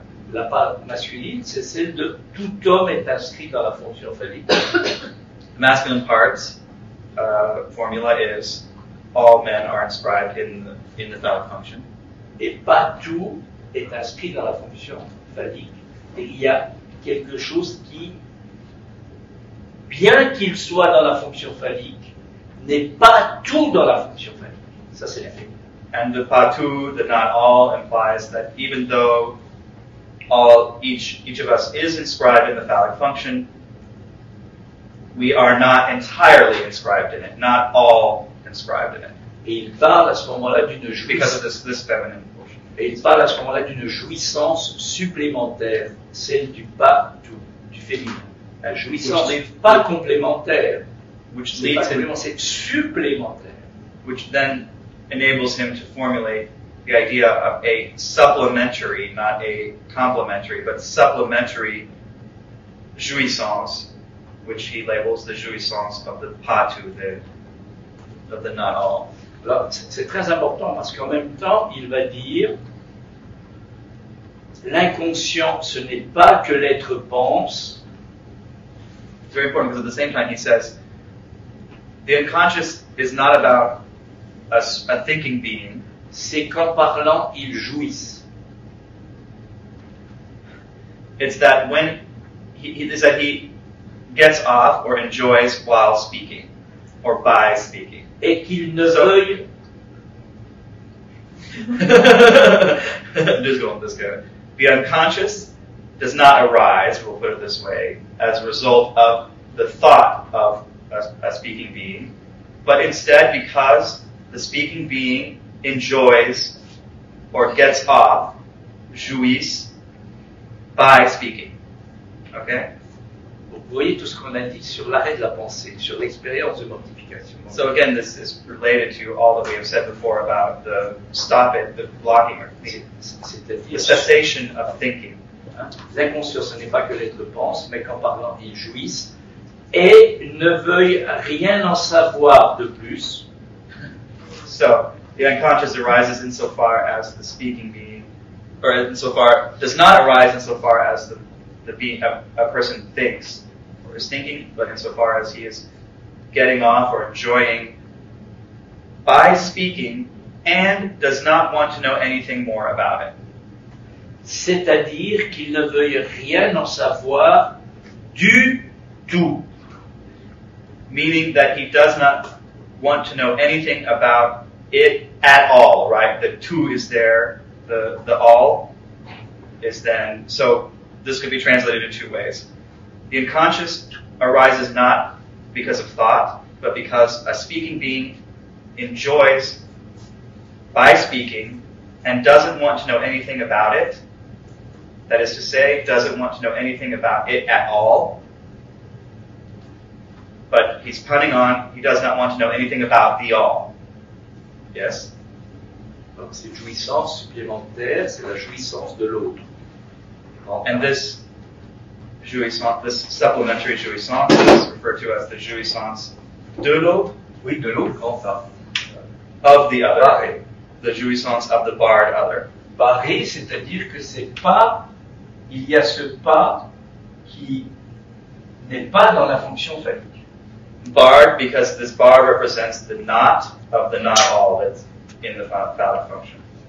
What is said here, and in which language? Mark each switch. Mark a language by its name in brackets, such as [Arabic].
[French] La part masculine, c'est celle de tout homme est inscrit dans la fonction phallique. [English] The masculine parts formula is all men are inscribed in the phallic function. [French] Et pas tout est inscrit dans la fonction phallique. Et il y a quelque chose qui, bien qu'il soit dans la fonction phallique, n'est pas tout dans la fonction phallique. Ça, c'est la fin. [English] And the pas tout, the not all, implies that even though each of us is inscribed in the phallic function, we are not entirely inscribed in it, not all inscribed in it. [French] Et il parle à ce moment-là d'une jouissance. [English] Because of this feminine portion. [French] Et il parle à ce moment-là d'une jouissance supplémentaire, celle du pas tout, du féminin. La jouissance n'est pas complémentaire. [English] Which [French] c'est [English] leads [French] pas complémentaire, [English] him, [French] c'est supplémentaire. [English] Which then enables him to formulate the idea of a supplementary, not a complementary, but supplementary jouissance, which he labels the jouissance of the pas tout, of the not all. [French] Alors, c'est très important parce qu'en même temps, il va dire l'inconscient, ce n'est pas que l'être pense. [English] It's very important because at the same time, he says the unconscious is not about a thinking being. [French] C'est qu'en parlant, ils jouissent. [English] It's that when he gets off or enjoys while speaking or by speaking. [French] Et qu'il ne veuille. [English] The unconscious does not arise, we'll put it this way, as a result of the thought of a speaking being, but instead because the speaking being enjoys or gets off, jouisse, by speaking. Okay? [French] Vous voyez tout ce qu'on a dit sur l'arrêt de la pensée, sur l'expérience de mortification. [English] So again, this is related to all that we have said before about the stop it, the blocking, the cessation of thinking. [French] L'inconscient, ce n'est pas que l'être pense, mais qu'en parlant, il jouisse et ne veuille rien en savoir de plus. [English] So, the unconscious arises insofar as the speaking being, or insofar, does not arise insofar as the being, a person thinks or is thinking, but insofar as he is getting off or enjoying by speaking and does not want to know anything more about it. [French] C'est-à-dire qu'il ne veuille rien en savoir du tout. [English] Meaning that he does not want to know anything about it at all, right? The tout is there, the all is then. So this could be translated in two ways. The unconscious arises not because of thought, but because a speaking being enjoys by speaking and doesn't want to know anything about it. That is to say, doesn't want to know anything about it at all. But he's punning on, he does not want to know anything about the all. Yes? [French] Donc cette jouissance supplémentaire, c'est la jouissance de l'autre. [English] And this jouissance, this supplementary jouissance, is referred to as the [French] jouissance de l'autre. Oui, de l'autre, quand ça? [English] Of the other. Barré. The jouissance of the barred other. [French] Barré, c'est-à-dire que c'est pas... Il y a ce pas qui n'est pas dans la fonction phallique. [English] Barred, because this bar represents the not of the not all that's in the phallic function.